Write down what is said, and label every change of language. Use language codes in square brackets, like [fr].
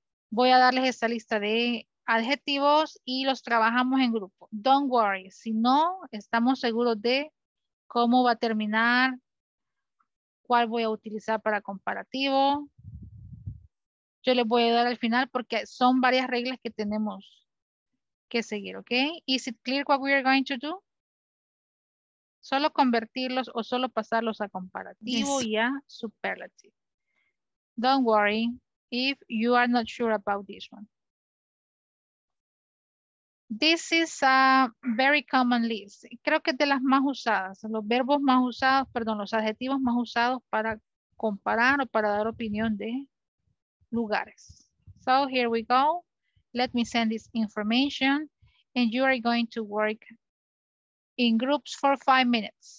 [es] Voy a darles esta lista de adjetivos y los trabajamos en grupo. [en] Don't worry, [es] si no estamos seguros de cómo va a terminar, cuál voy a utilizar para comparativo. Yo les voy a dar al final porque son varias reglas que tenemos que seguir, ¿ok? [en] Is it clear what we are going to do? [es] Solo convertirlos o solo pasarlos a comparativo, yes, y a superlative. [en] Don't worry if you are not sure about this one. This is a very common list. [es] Creo que es de las más usadas. Los verbos más usados, perdón, los adjetivos más usados para comparar o para dar opinión de lugares. [en] So here we go. Let me send this information. And you are going to work in groups for 5 minutes.